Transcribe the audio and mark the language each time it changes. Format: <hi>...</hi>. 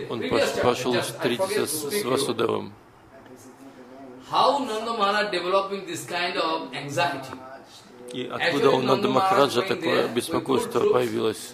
<ru>он пошел встретиться с Васудевом.</ru> <en>How Nanda Maharaj developing this kind of anxiety?</en> <ru>И откуда у Нанда Махараджа такое беспокойство появилось?</ru>